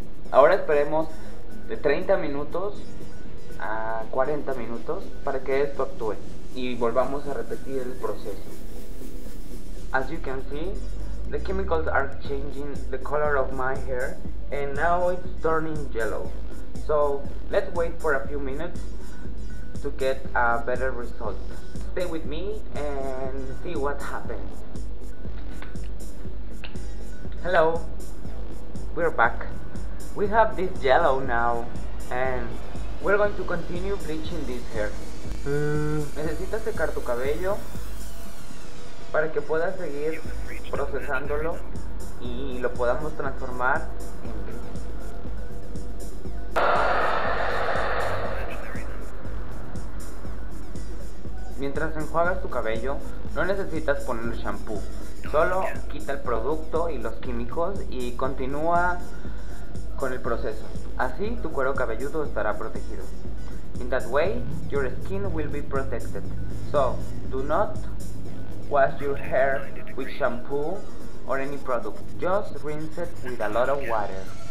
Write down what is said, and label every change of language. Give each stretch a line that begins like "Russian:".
Spanish: Ahora esperemos de 30 minutos a 40 minutos para que esto actúe y volvamos a repetir el proceso.
English: As you can see, the chemicals are changing the color of my hair and now it's turning yellow. So let's wait for a few minutes to get a better result. Stay with me and see what happens. Hello, we're back. We have this yellow now and we're going to continue bleaching this hair.
Spanish: Necesitas secar tu cabello para que puedas seguir procesándolo y lo podamos transformar en gris. Mientras enjuagas tu cabello, no necesitas poner shampoo. Solo quita el producto y los químicos y continúa con el proceso. Así tu cuero cabelludo estará protegido.
English: In that way, your skin will be protected. So, do not wash your hair with shampoo or any product. Just rinse it with a lot of water.